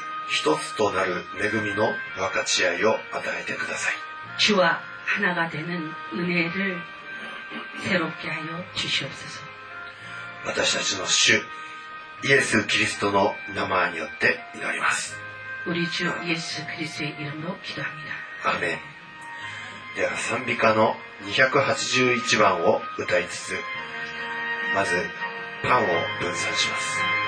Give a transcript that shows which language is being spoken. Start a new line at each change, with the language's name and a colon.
Japanese: 一つとなる恵みの分かち合いを与えてください。
Korean: 주와하나가되는은혜를새롭게하여주시옵소서。
Japanese: 私たちの主イエス・キリストの名前によって祈ります。
Korean: 우리주예수그리스도의이름으로기도합니다。 아멘。
Japanese: では賛美歌の281番を歌いつつまずパンを分散します。